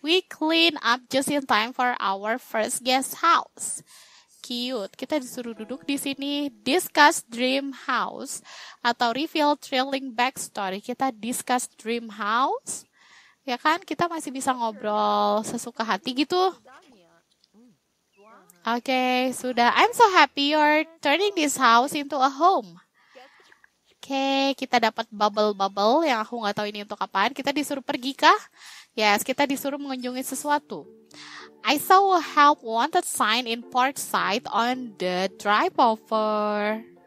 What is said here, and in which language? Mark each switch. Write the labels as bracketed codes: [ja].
[en] We clean up just in time for our first guest house. Cute. [id] Kita disuruh duduk di sini, [en] discuss dream house [id] atau [en] reveal thrilling backstory. [id] Kita [en] discuss dream house. [id] ya kan? Kita masih bisa ngobrol sesuka hati gitu. Okay, sudah. [en] I'm so happy you're turning this house into a home. [id] Okay, kita dapat bubble-bubble yang aku nggak tahu ini untuk kapan. Kita disuruh pergi kah? Yes, kita disuruh mengunjungi sesuatu. [en] I saw a help wanted sign in port side on the drive over.